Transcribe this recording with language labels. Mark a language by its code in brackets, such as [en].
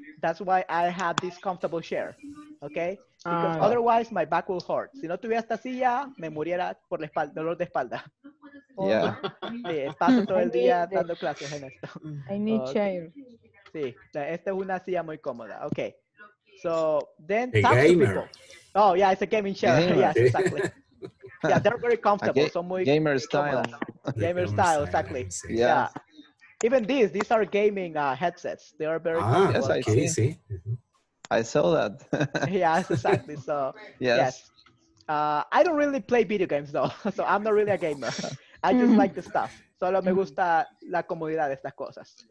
[en] That's why I have this comfortable chair, okay? Because otherwise, my back will hurt. [es] Si no tuviera esta silla, me muriera por la espalda, dolor de espalda. [en] Yeah. [es] Sí, paso todo el día dando clases en esto. [en] I need chair. [es] sí. Esta es una silla muy cómoda. Okay. [en] So then a talk gamer. To people. Oh yeah, it's a gaming chair. Gamer. Yes, exactly. Yeah, they're very comfortable. So [es] muy [en] gamer style. Gamer style, exactly. Yes. Yeah. Even these are gaming headsets. They are very comfortable. Yes, I see. Okay, see. Mm-hmm. I saw that. Yes, exactly. So yes. I don't really play video games though, so I'm not really a gamer. I just like the stuff. [es] Solo me gusta la comodidad de estas cosas.